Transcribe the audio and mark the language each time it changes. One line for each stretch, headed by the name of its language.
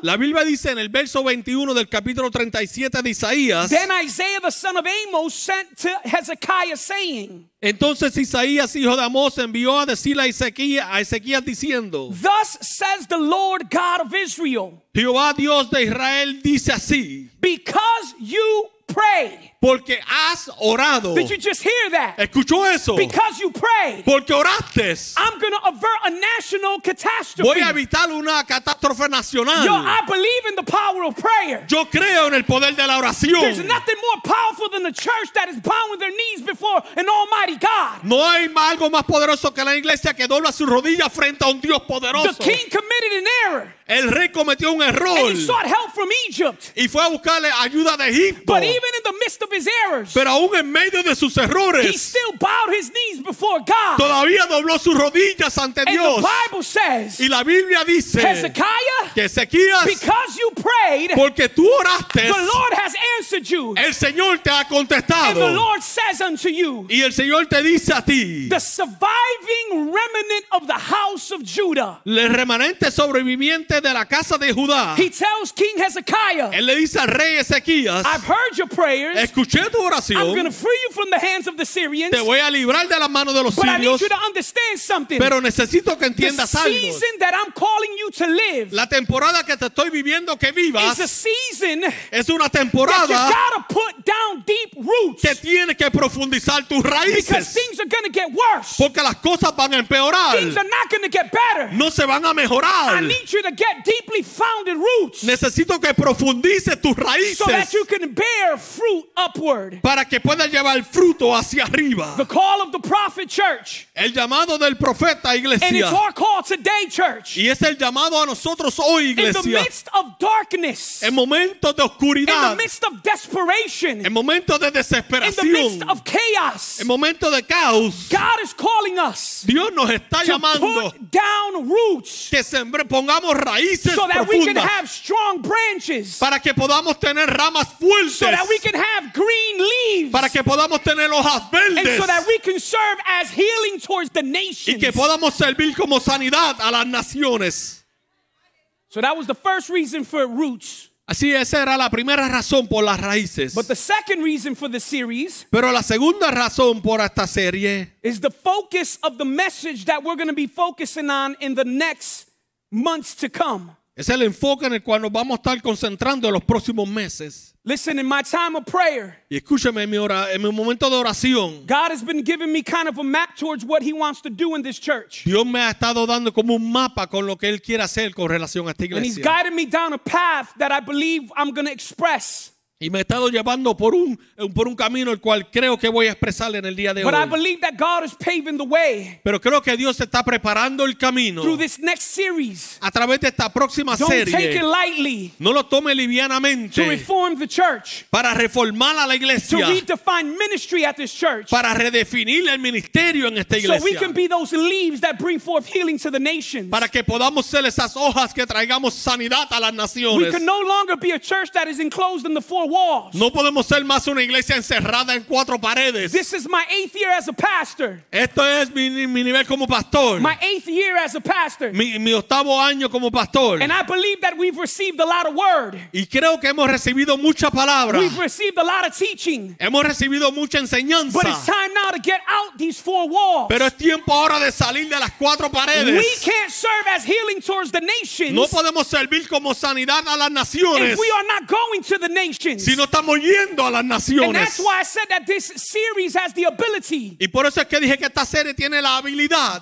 Spanish: La Biblia dice en el verso 21 del capítulo 37 de Isaías.
English: Then Isaiah the son of Amos sent to Hezekiah saying.
Spanish: Entonces Isaías hijo de Amós envió a decir a Ezequías diciendo.
English: Thus says the Lord God of Israel.
Spanish: Jehová Dios de Israel dice así.
English: Because you pray.
Spanish: Porque has orado.
English: Did you just hear that?
Spanish: ¿Escuchó eso?
English: Because you prayed.
Spanish: Porque oraste.
English: I'm going to avert a national catastrophe.
Spanish: Voy a evitar una catástrofe nacional.
English: Yo, I believe in the power of prayer.
Spanish: Yo creo en el poder de la oración.
English: There's nothing more powerful than the church that is bowing their knees before an almighty God.
Spanish: No hay algo más poderoso que la iglesia que dobla sus rodillas frente a un Dios poderoso.
English: The king committed an error.
Spanish: El rey cometió un error.
English: And he sought help from Egypt.
Spanish: Y fue a buscarle ayuda de Egipto.
English: But even in the midst of his errors,
Spanish: pero aún en medio de sus errores,
English: he still bowed his knees before God.
Spanish: Todavía dobló sus rodillas ante
English: and
Spanish: Dios.
English: The Bible says,
Spanish: y la Biblia dice,
English: Hezekiah,
Spanish: que Ezequías,
English: because you prayed,
Spanish: porque tú oraste,
English: the Lord has answered you.
Spanish: El Señor te ha contestado.
English: And the Lord says unto you,
Spanish: y el Señor te dice a ti,
English: the surviving remnant of the house of Judah,
Spanish: el remanente sobreviviente de la casa de Judá,
English: he tells King Hezekiah,
Spanish: él le dice al rey Ezequías,
English: I've heard your prayers.
Spanish: Escuché tu oración.
English: I'm going to free you from the hands of the Syrians.
Spanish: Te voy a librar de las manos de los sirios.
English: But I need you to understand something.
Spanish: Pero necesito que entiendas algo.
English: The season that I'm calling you to live.
Spanish: La temporada que te estoy viviendo que vivas.
English: Is a season.
Spanish: Es una temporada.
English: That you gotta put down deep roots.
Spanish: Que tienes que profundizar tus raíces.
English: Because things are going to get worse.
Spanish: Porque las cosas van a empeorar.
English: Things are not going to get better.
Spanish: No se van a mejorar.
English: I need you to get deeply founded roots.
Spanish: Necesito que profundices tus raíces.
English: So that you can bear fruit. Upward.
Spanish: Para que pueda llevar fruto hacia arriba.
English: The call of the prophet church.
Spanish: El llamado del profeta iglesia.
English: And it's our call today church.
Spanish: Y es el llamado a nosotros hoy iglesia.
English: In the midst of darkness.
Spanish: En momentos de oscuridad.
English: In the midst of desperation.
Spanish: En momentos de desesperación.
English: In the midst of chaos.
Spanish: En momentos de caos.
English: God is calling us.
Spanish: Dios nos está
English: to
Spanish: llamando.
English: Put down roots.
Spanish: Que pongamos raíces
English: so So that we can have strong branches.
Spanish: Para que podamos tener ramas fuertes.
English: So that we can have green leaves,
Spanish: para que podamos tener hojas verdes,
English: and so that we can serve as healing towards the nations,
Spanish: y que podamos servir como sanidad a las naciones.
English: So that was the first reason for roots.
Spanish: Así esa era la primera razón por las raíces.
English: But the second reason for the series,
Spanish: pero la segunda razón por esta serie,
English: is the focus of the message that we're going to be focusing on in the next months to come.
Spanish: Es el enfoque en el cual nos vamos a estar concentrando en los próximos meses.
English: Listen, in my time of prayer,
Spanish: y escúchame en mi momento de oración,
English: God has been giving me kind of a map towards what he wants to do in this church.
Spanish: Dios me ha estado dando como un mapa con lo que él quiere hacer con relación a esta iglesia.
English: And he's guiding me down a path that I believe I'm going to express.
Spanish: Y me he estado llevando por un camino el cual creo que voy a expresar en el día de
English: but
Spanish: hoy.
English: I believe that God is paving the way.
Spanish: Pero creo que Dios está preparando el camino.
English: Through this next series.
Spanish: A través de esta próxima
English: don't
Spanish: serie.
English: Don't take it lightly.
Spanish: No lo tome livianamente.
English: To reform the church.
Spanish: Para reformar a la iglesia.
English: To redefine ministry at this church.
Spanish: Para redefinir el ministerio en esta iglesia.
English: So we can be those leaves that bring forth healing to the nations.
Spanish: Para que podamos ser esas hojas que traigamos sanidad a las naciones.
English: We can no longer be a church that is enclosed in the four walls.
Spanish: No podemos ser más una iglesia encerrada en cuatro paredes.
English: This is my eighth year as a pastor.
Spanish: Esto es mi nivel como pastor.
English: My eighth year as a pastor.
Spanish: Mi octavo año como pastor.
English: And I believe that we've received a lot of word.
Spanish: Y creo que hemos recibido mucha palabra.
English: We've received a lot of teaching.
Spanish: Hemos recibido mucha enseñanza.
English: But it's time now to get out these four walls.
Spanish: Pero es tiempo ahora de salir de las cuatro paredes.
English: We can't serve as healing towards the nations.
Spanish: No podemos servir como sanidad a las naciones.
English: If we are not going to the nations.
Spanish: Si no estamos yendo a las naciones.
English: And that's why I said that this series has the ability.
Spanish: Y por eso es que dije que esta serie tiene la habilidad.